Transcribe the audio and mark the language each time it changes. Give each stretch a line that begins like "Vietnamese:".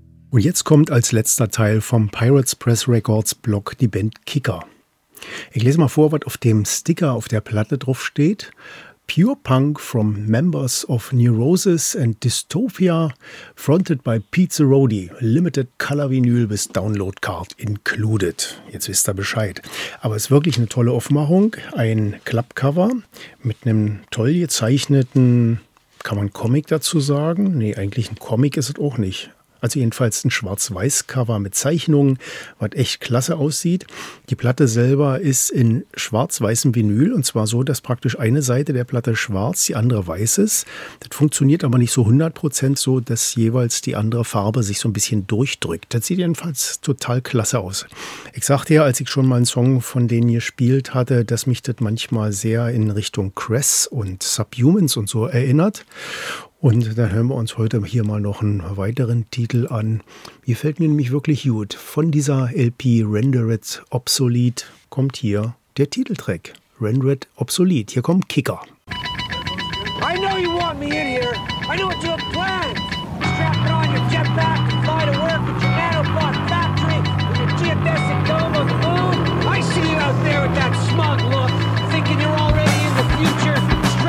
German: Und jetzt kommt als letzter Teil vom Pirates Press Records Blog die Band Kicker. Ich lese mal vor, was auf dem Sticker auf der Platte drauf steht.
English: Pure Punk from members of Neurosis and Dystopia, fronted by Pete Cerodi, limited color Vinyl with download card included.
German: Jetzt wisst ihr Bescheid. Aber es ist wirklich eine tolle Aufmachung. Ein Clubcover mit einem toll gezeichneten, kann man Comic dazu sagen? Nee, eigentlich ein Comic ist es auch nicht. Also jedenfalls ein Schwarz-Weiß-Cover mit Zeichnungen, was echt klasse aussieht. Die Platte selber ist in schwarz-weißem Vinyl und zwar so, dass praktisch eine Seite der Platte schwarz, die andere weiß ist. Das funktioniert aber nicht so 100% so, dass jeweils die andere Farbe sich so ein bisschen durchdrückt. Das sieht jedenfalls total klasse aus. Ich sagte ja, als ich schon mal einen Song von denen gespielt hatte, dass mich das manchmal sehr in Richtung Cress und Subhumans und so erinnert. Und dann hören wir uns heute hier mal noch einen weiteren Titel an. Mir fällt mir nämlich wirklich gut. Von dieser LP Rendered Obsolete kommt hier der Titeltrack. Rendered Obsolete. Hier kommt Kicker.
English: I know you want me in here. I know what you have planned. Strap it on your jetpack and fly to work at your nanobot factory with your geodesic dome on the moon. I see you out there with that smug look, thinking you're already in the future.